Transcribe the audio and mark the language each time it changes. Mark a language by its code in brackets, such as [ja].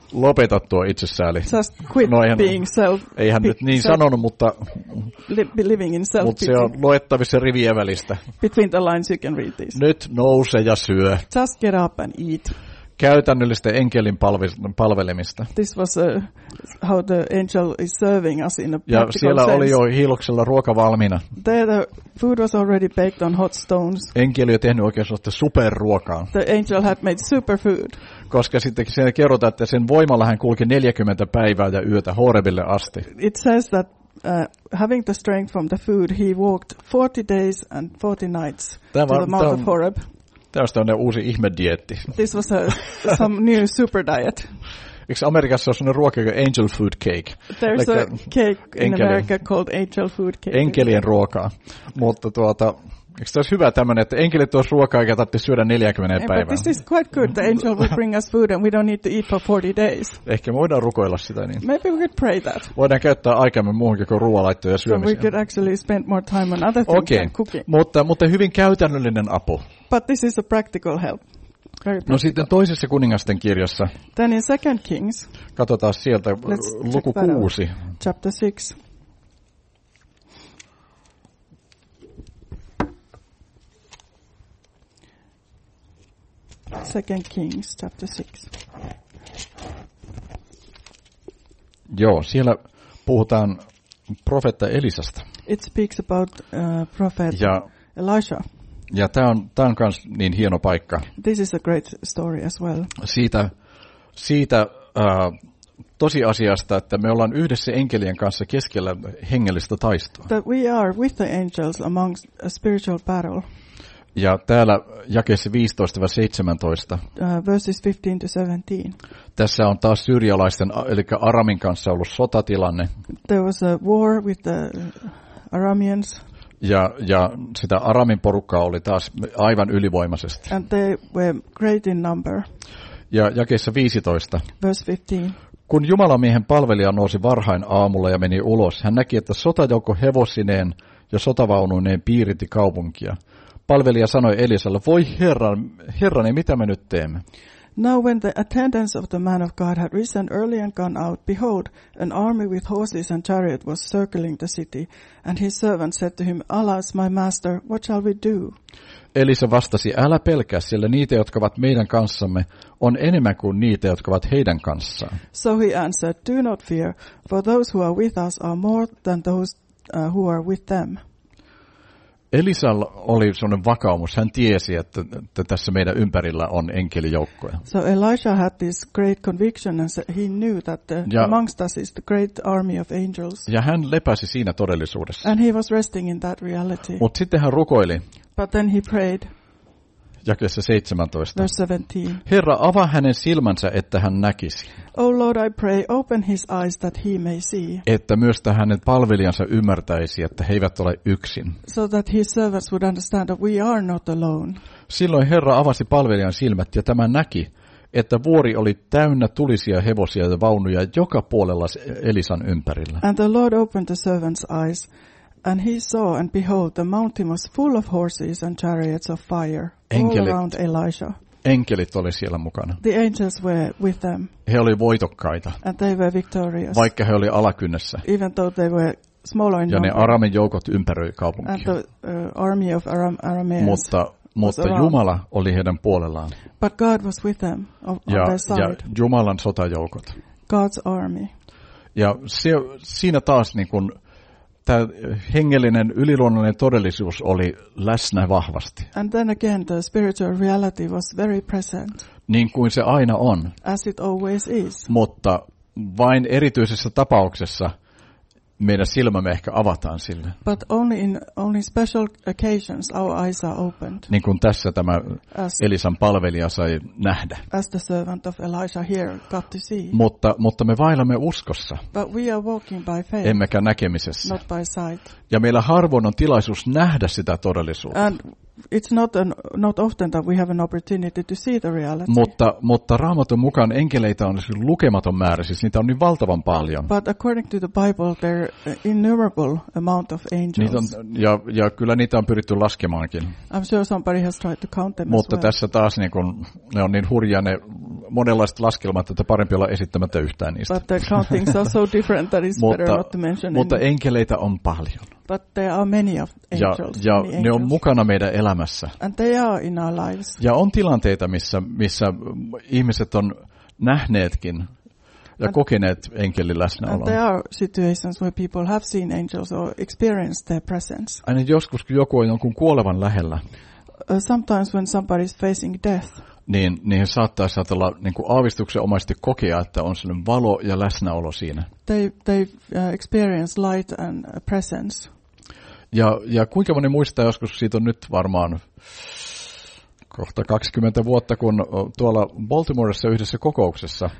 [fi] Lopeta tuo itsesääli. [en] Just quit no, [fi] eihän, [en] being self. [fi] Eihän nyt niin sanonut, mutta [en] living in self. [fi] Mutta se on luettavissa rivien välistä. [en] Between the lines you can read this. [fi] Nyt nouse ja syö. [en] Just get up and eat. [fi] Käytännöllistä enkelin palvelemista. [en] This was a, how the angel is serving us in a practical [fi] ja siellä [en] sense. [fi] Oli jo hiiloksella ruoka valmiina. [en] The food was already baked on hot stones. [fi] Enkeli oli tehnyt oikein sellaista superruokaa. [en] The angel had made super food. [fi] Koska sittenkin siellä kerrotaan, että sen voimalla hän kulki 40 päivää ja yötä Horebille asti. [en] It says that having the strength from the food, he walked 40 days and 40 nights [fi] tämä, [en] to the mount of Horeb. [fi] Tämä on sellainen uusi ihmedietti. [en] This was a, some new super diet. [fi] Eikö Amerikassa ole sellainen ruoka, joka [en] angel food cake? There's like a cake in America called angel food cake. [fi] Enkelien ruokaa. Mutta tuota, eikö tämä hyvä tämmöinen, että enkelit olisi ruokaa, eikä tarvitsisi syödä 40 päivää? [en] But this is quite good. The angel will bring us food and we don't need to eat for 40 days. [fi] Ehkä me voidaan rukoilla sitä niin. [en] Maybe we could pray that. [fi] Voidaan käyttää aikamme muuhunkin kuin ruoalaittoon ja syömiseen. [en] So we could actually spend more time on other things okay. than cooking. [fi] Mutta hyvin käytännöllinen apu. [en] But this is a practical help. [fi] No sitten toisessa kuningasten kirjassa. [en] Then in Second Kings. [fi] Katsotaan sieltä luku 6. [en] Chapter 6. Second Kings chapter 6. [fi] Joo, siellä puhutaan profeetta Elisasta. [en] It speaks about prophet ja, Elisha. [fi] Ja tämä on kans niin hieno paikka. [en] This is a great story as well. [fi] Siitä tosiasiasta, että me ollaan yhdessä enkelien kanssa keskellä hengellistä taistoa. [en] That we are with the angels amongst a spiritual battle. [fi] Ja täällä jakeessa 15-17. [en] Verses 15-17. [fi] Tässä on taas syyrialaisten, eli Aramin kanssa ollut sotatilanne. [en] There was a war with the Arameans. [fi] Ja sitä Aramin porukkaa oli taas aivan ylivoimaisesti. [en] And they were great in number. [fi] Ja jakeessa 15. [en] Verse 15. [fi] Kun jumalamiehen palvelija nousi varhain aamulla ja meni ulos, hän näki, että sotajoukko hevosineen ja sotavaununeen piiritti kaupunkia. Palvelija sanoi Elisalle, voi herrani, mitä me nyt teemme? [en] Now when the attendants of the man of God had risen early and gone out, behold, an army with horses and chariot was circling the city. And his servant said to him, alas, my master, what shall we do? [fi] Elisa vastasi, älä pelkää, sillä niitä, jotka ovat meidän kanssamme, on enemmän kuin niitä, jotka ovat heidän kanssaan. [en] So he answered, do not fear, for those who are with us are more than those who are with them. [fi] Elisalla oli sellainen vakaumus. Hän tiesi, että tässä meidän ympärillä on enkelijoukkoja. [en] So Elisha had this great conviction and he knew that amongst us is the great army of angels. [fi] Ja hän lepäsi siinä todellisuudessa. [en] And he was resting in that reality. [fi] Mutta sitten hän rukoili. [en] But then he prayed. [fi] Jakeessa 17. [en] Verse 17. [fi] Herra, avaa hänen silmänsä, että hän näkisi. [en] Oh Lord, I pray, open his eyes that he may see. [fi] Että myös hänen palvelijansa ymmärtäisi, että he eivät ole yksin. [en] So that his servants would understand that we are not alone. [fi] Silloin Herra avasi palvelijan silmät ja tämä näki, että vuori oli täynnä tulisia hevosia ja vaunuja joka puolella Elisan ympärillä. [en] And the Lord opened the servants' eyes. And he saw, and behold, the mountain was full of horses and chariots of fire [fi] enkelit, [en] all around Elisha. [fi] Enkelit oli siellä mukana. [en] The angels were with them. [fi] He oli voitokkaita. [en] And they were victorious. [fi] Vaikka he oli alakynnessä. [en] Even though they were smaller in [fi] ja [en] number. [fi] Ja ne Aramin joukot ympäröi kaupunkia. [en] And the army of Arameans. [fi] Mutta Jumala oli heidän puolellaan. [en] But God was with them on their side. [fi] Ja Jumalan sotajoukot. [en] God's army. [fi] Ja siinä taas niin kuin tämä hengellinen, yliluonnollinen todellisuus oli läsnä vahvasti. [en] And then again, the spiritual reality was very present. [fi] Niin kuin se aina on. [en] As it always is. [fi] Mutta vain erityisessä tapauksessa meidän silmämme ehkä avataan sille. [en] But only in special occasions our eyes are opened. [fi] Niin kuin tässä tämä Elisan palvelija sai nähdä. [en] As the servant of Elisha here got to see. [fi] Mutta me vaellamme uskossa. [en] But we are walking by faith. [fi] Emmekä näkemisessä. [en] Not by sight. [fi] Ja meillä harvoin on tilaisuus nähdä sitä todellisuutta. [en] And it's not an, not often that we have an opportunity to see the reality. [fi] Mutta Raamatun mukaan enkeleitä on lukematon määrä, siis niitä on niin valtavan paljon. [en] But according to the Bible, there are innumerable amount of angels. [fi] Niitä on, ja kyllä niitä on pyritty laskemaankin. [en] I'm sure somebody has tried to count them. [fi] Mutta [en] as well. [fi] Tässä taas niin kun, ne on niin hurjia ne monenlaiset laskelmat, että parempi olla esittämättä yhtään niistä. [en] But the countings are so different that it's better not to mention. [fi] Mutta enkeleitä on paljon. [en] But there are many of angels. [fi] Ja ne on mukana meidän elämässä. [en] And they are in our lives. [fi] Ja on tilanteita, missä ihmiset on nähneetkin ja [en] and, [fi] kokeneet enkelin läsnäolon. [en] And there are situations where people have seen angels or experienced their presence. [fi] Aina joskus, kun joku on jonkun kuolevan lähellä. [en] Sometimes when somebody is facing death. [fi] Niin he saattaa ajatella niin kuin aavistuksenomaisesti kokea, että on sellainen valo ja läsnäolo siinä. [en] They experience light and presence. [fi] Ja kuinka moni muistaa joskus, siitä on nyt varmaan kohta 20 vuotta, kun tuolla Baltimoressa yhdessä kokouksessa.